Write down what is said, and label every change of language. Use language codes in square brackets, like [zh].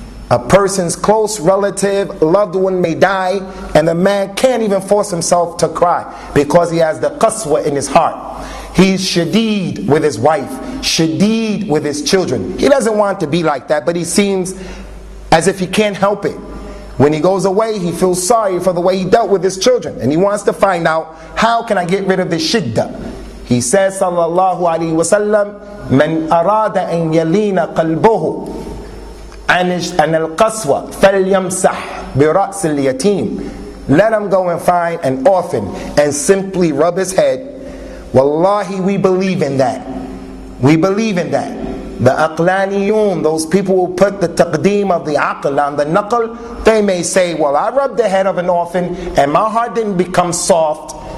[en] A person's close relative, loved one may die, and the man can't even force himself to cry because he has the qaswa in his heart. He's shadeed with his wife, shadeed with his children. He doesn't want to be like that, but he seems as if he can't help it. When he goes away, he feels sorry for the way he dealt with his children. And he wants to find out, how can I get rid of this shiddah? He says, [ar] sallallahu alayhi wa sallam, من أراد أن يلين قلبه عن القسوة فليمسح برأس اليتيم. [en] Let him go and find an orphan and simply rub his head. Wallahi, we believe in that. We believe in that. The aqlaniyun, those people who put the taqdeem of the aql on the naql, they may say, well, I rubbed the head of an orphan and my heart didn't become soft.